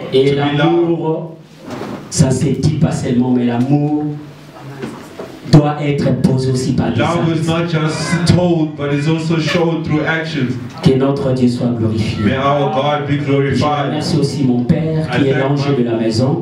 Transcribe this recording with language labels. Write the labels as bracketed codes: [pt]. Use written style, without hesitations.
[fr] et l'amour, ça ne se dit pas seulement, mais l'amour doit être posé aussi par des [en] actes. Love is not just told, but is also shown through actions. [fr] Que notre Dieu soit glorifié. [en] May our God be glorified. [fr] Je remercie aussi mon Père qui est l'ange de la maison.